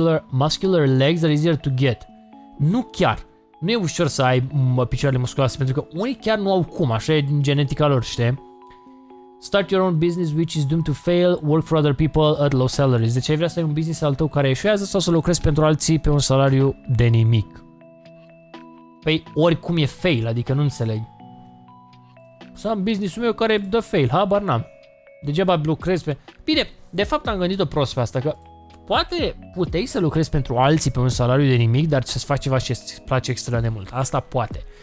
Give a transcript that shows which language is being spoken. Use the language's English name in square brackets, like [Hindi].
[English] Muscular legs are easier to get. [Romanian] Nu chiar. Nu e ușor să ai picioarele musculoase pentru că unii chiar nu au cum. Așa e din genetica lor, știi? [English] Start your own business which is doomed to fail. Work for other people at low salaries. [Romanian] Deci ai vrea să ai un business al tău care eșuează sau să lucrezi pentru alții pe un salariu de nimic? Păi oricum e fail, adică nu înțeleg. Să am business-ul meu care dă fail, habar n-am. Degeaba lucrez pe... Bine, de fapt am gândit-o prost pe asta, că poate puteai să lucrezi pentru alții pe un salariu de nimic, dar să-ți faci ceva ce îți place extrem de mult. Asta poate.